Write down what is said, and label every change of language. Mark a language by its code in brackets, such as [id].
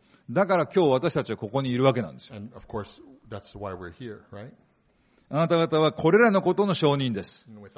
[ja] だから今日私たちはここにいるわけなんです。 [en] And of course, that's why we're here, right? [ja] あなた方はこれらのことの証人です。